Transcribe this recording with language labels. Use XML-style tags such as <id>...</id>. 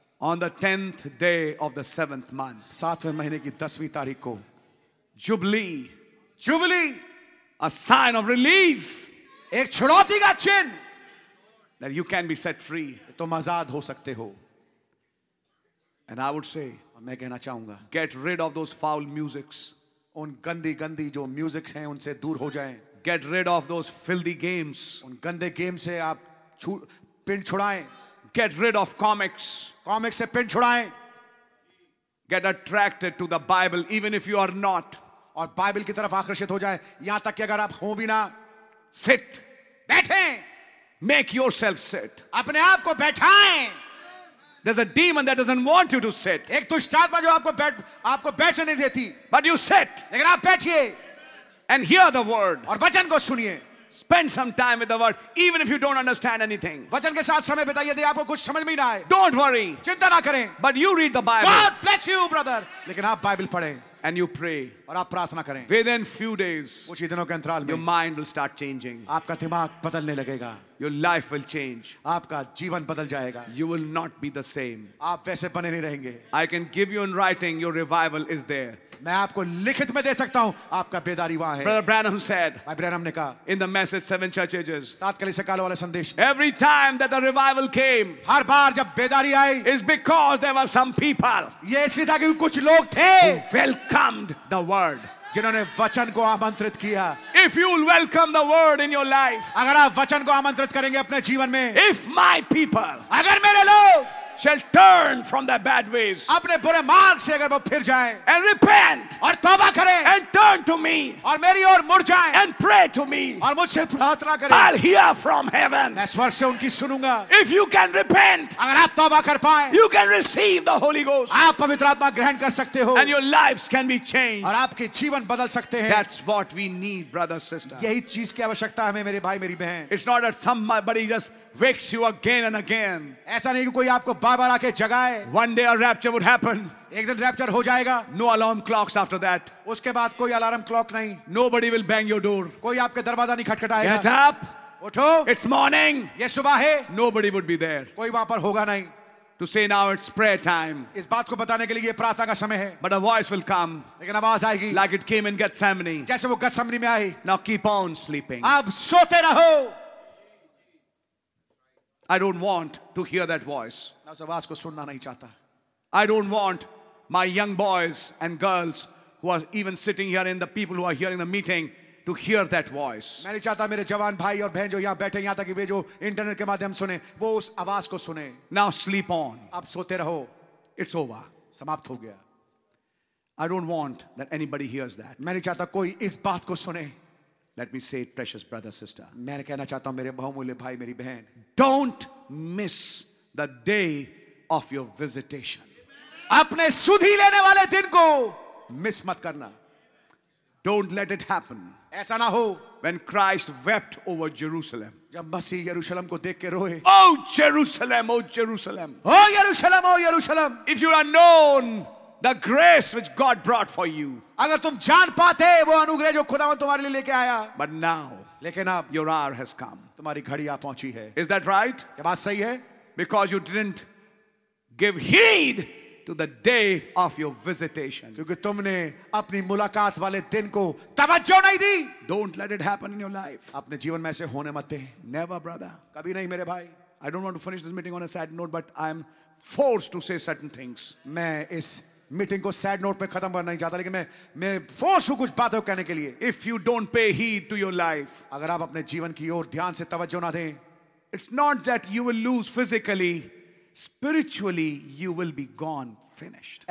<en>On the 10th day of the 7th month.</en> <hi>सातवें महीने की 10वीं तारीख को.</hi> <en>Jubilee.</en> <hi>Jubilee.</hi> <en>A sign of release.</en> <hi>एक छुड़ौती का चिन्ह.</hi> <en>That you can be set free.</en> <hi>तुम आजाद हो सकते हो.</hi> <en>And I would say,</en> <hi>मैं कहना चाहूंगा,</hi> <en>get rid of those foul musics.</en> <hi>उन गंदी गंदी जो म्यूजिक्स हैं उनसे दूर हो जाएं.</hi> <en>Get rid of those filthy games.</en> <hi>उन गंदे गेम से आप pin छुड़ाएं.</hi> <en>Get rid of comics.</en> <hi>Comics से pin छुड़ाएं.</hi> <en>Get attracted to the Bible even if you are not.</en> <hi>और बाइबल की तरफ आकर्षित हो जाएं यहां तक कि अगर आप हो भी ना.</hi> <en>Sit.</en> <hi>बैठे.</hi> <en>Make yourself sit.</en> <hi>अपने आप को बैठाएं.</hi> <en>There's a demon that doesn't want you to sit.</en> <hi>एक दुष्टात्मा जो आपको बैठने नहीं देती.</hi> <en>But you sit.</en> <hi>लेकिन आप बैठिए.</hi> <en>And hear the word.</en> <hi>और वचन को सुनिए.</hi> <en>Spend some time with the word, even if you don't understand anything.</en> <hi>वचन के साथ समय बिताइए यदि आपको कुछ समझ में ही ना आए.</hi> <en>Don't worry.</en> <hi>चिंता ना करें.</hi> <en>But you read the Bible. God bless you, brother.</en> <hi>लेकिन आप बाइबल पढ़ें.</hi> <en>And you pray.</en> <hi>और आप प्रार्थना करें.</hi> <en>Within few days,</en> <hi>कुछ ही दिनों के अंतराल में,</hi> <en>your mind will start changing.</en> <hi>आपका दिमाग बदलने लगेगा.</hi> <en>Your life will change.</en> <hi>आपका जीवन बदल जाएगा.</hi> <en>You will not be the same.</en> <hi>आप वैसे बने नहीं रहेंगे.</hi> <en>I can give you in writing, your revival is there.</en> <hi>मैं आपको लिखित में दे सकता हूं आपका बेदारी वहां है.</hi> <en>Brother Branham said,</en> <hi>भाई ब्रैनम ने कहा,</hi> <en>in the message, 7 churches,</en> <hi>सात कलीसियाओं वाले संदेश,</hi> <en>every time that the revival came,</en> <hi>हर बार जब बेदारी आई,</hi> <en>is because there were some people,</en> <hi>ये इसलिए था कि कुछ लोग थे,</hi> <en>who welcomed the word,</en> <hi>जिन्होंने वचन को आमंत्रित किया.</hi> <en>If you will welcome the word in your life,</en> <hi>अगर आप वचन को आमंत्रित करेंगे अपने जीवन में,</hi> <en>if my people,</en> <hi>अगर मेरे लोग,</hi> <en>shall turn from their bad ways,</en> <hi>अपने बुरे मार्ग से अगर वो फिर जाएं,</hi> <en>and repent,</en> <hi>और तौबा करें,</hi> <en>and turn to me,</en> <hi>और मेरी ओर मुड़ जाएं,</hi> <en>and pray to me,</en> <hi>और मुझसे प्रार्थना करें,</hi> <en>I'll hear from heaven,</en> <hi>मैं स्वर्ग से उनकी सुनूंगा.</hi> <en>If you can repent,</en> <hi>अगर आप तौबा कर पाए,</hi> <en>you can receive the Holy Ghost,</en> <hi>आप पवित्र आत्मा ग्रहण कर सकते हो,</hi> <en>and your lives can be changed,</en> <hi>और आपके जीवन बदल सकते हैं.</hi> <en>That's what we need, brother, sister.</en> <hi>यही चीज की आवश्यकता हमें, मेरे भाई, मेरी बहन.</hi> <en>It's not that somebody just wakes you again and again.</en> <hi>ऐसा नहीं कि कोई आपको बार बार आके जगाए.</hi> <en>One day a rapture would happen.</en> <hi>एक दिन रैप्चर हो जाएगा.</hi> <en>No alarm clocks after that.</en> <hi>उसके बाद कोई अलार्म क्लॉक नहीं.</hi> <en>Nobody will bang your door.</en> <hi>कोई आपके दरवाजा नहीं खटखटाएगा.</hi> <en>Get up.</en> <hi>उठो.</hi> <en>It's morning.</en> <hi>ये सुबह है.</hi> <en>Nobody would be there.</en> <hi>कोई वहां पर होगा नहीं.</hi> <en>To say now it's prayer time.</en> <hi>इस बात को बताने के लिए प्रार्थना का समय है.</hi> <en>But a voice will come.</en> <hi>लेकिन आवाज आएगी.</hi> <en>Like it came in Gethsemane.</en> <hi>जैसे वो गेथसेमनी में आई.</hi> <en>Now keep on sleeping.</en> <hi>अब सोते रहो.</hi> <en>I don't want to hear that voice.</en> <hi>मैं उस आवाज को सुनना नहीं चाहता.</hi> <en>I don't want my young boys and girls who are even sitting here in the people who are hearing the meeting to hear that voice.</en> <hi>मैं नहीं चाहता मेरे जवान भाई और बहन जो यहाँ बैठे यहाँ तक वे जो इंटरनेट के माध्यम सुने वो उस आवाज को सुने.</hi> <en>Now sleep on.</en> <hi>अब सोते रहो.</hi> <en>It's over.</en> <hi>समाप्त हो गया.</hi> <en>I don't want that anybody hears that.</en> <hi>मैं नहीं चाहता कोई इस बात को सुने.</hi> <en>Let me say it, precious brother, sister.</en> <hi>मैं कहना चाहता हूँ मेरे बहुमूल्य भाई, मेरी बहन.</hi> <en>Don't miss the day of your visitation.</en> <hi>अपने सुधी लेने वाले दिन को मिस मत करना.</hi> <en>Don't let it happen.</en> <hi>ऐसा ना हो.</hi> <en>When Christ wept over Jerusalem.</en> <hi>जब मसीह यरूशलम को देख के रोए.</hi> <en>Oh Jerusalem, oh Jerusalem. Oh Jerusalem, oh Jerusalem. If you are known. The grace which God brought for you.</en> <hi>अगर तुम जान पाते वो अनुग्रह जो खुदावन तुम्हारे लिए लेके आया.</hi> <en>But now,</en> <hi>लेकिन अब,</hi> <en>your hour has come.</en> <hi>तुम्हारी घड़ी आ पहुंची है.</hi> <en>Is that right?</en> <hi>क्या बात सही है?</hi> <en>Because you didn't give heed to the day of your visitation.</en> <hi>क्योंकि तुमने अपनी मुलाकात वाले दिन को तवज्जो नहीं दी.</hi> <en>Don't let it happen in your life.</en> <hi>अपने जीवन में ऐसे होने मत दे.</hi> <en>Never, brother.</en> <hi>कभी नहीं मेरे भाई.</hi> <en>I don't want to finish this meeting on a sad note, but I am forced to say certain things.</en> <hi>मैं इस मीटिंग को सैड नोट पे खत्म करना नहीं चाहता, लेकिन मैं फोर्स हूं कुछ बातों कहने के लिए.</hi> <en>if you don't pay heed to your life,</en> <hi>अगर आप अपने जीवन की ओर ध्यान से तवज्जो ना दें,</hi> <en>It's not that you will lose physically, spiritually you will be gone finished.</en>